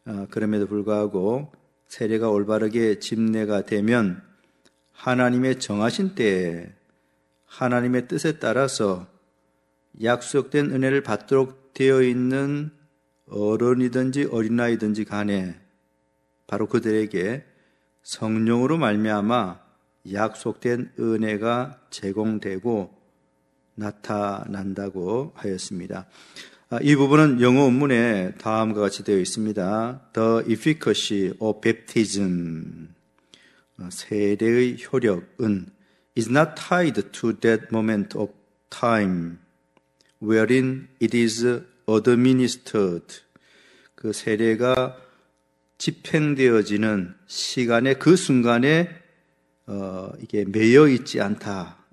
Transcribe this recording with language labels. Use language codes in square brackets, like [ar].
[ko] 그럼에도 불구하고 세례가 올바르게 집내가 되면 하나님의 정하신 때에 하나님의 뜻에 따라서 약속된 은혜를 받도록 되어 있는 어른이든지 어린아이든지 간에 바로 그들에게 성령으로 말미암아 약속된 은혜가 제공되고 나타난다고 하였습니다. 이 부분은 영어 원문에 다음과 같이 되어 있습니다. [en] The efficacy of baptism, [ko] 세례의 효력은 [en] is not tied to that moment of time wherein it is administered. [ko] 그 세례가 집행되어지는 시간에 그 순간에 이게 매여 있지 않다.